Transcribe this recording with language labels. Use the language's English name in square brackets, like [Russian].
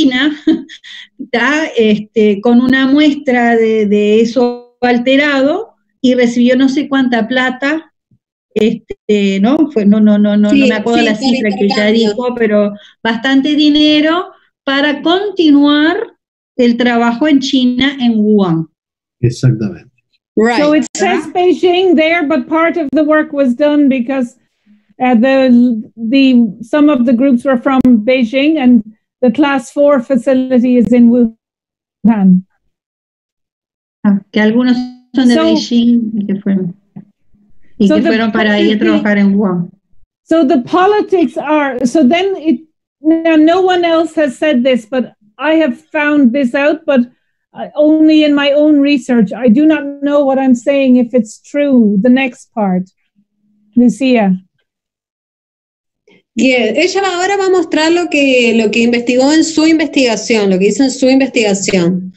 [Spanish] Fue a China con una muestra de eso alterado y recibió no sé cuánta plata, ¿no? No me acuerdo la cifra que ella dijo, pero bastante dinero para continuar el trabajo en China, en Wuhan. Exactamente. [English] Right. So it says Beijing there, but part of the work was done because some of the groups were from Beijing and the class 4 facility is in Wuhan. [Spanish] Que algunos son de Beijing. [English] So the politics are, so then it, now no one else has said this, but I have found this out, but only in my own research. I do not know what I'm saying, if it's true, the next part. Lucia. [Spanish] Yeah, ella ahora va a mostrar lo que investigó en su investigación, lo que hizo en su investigación.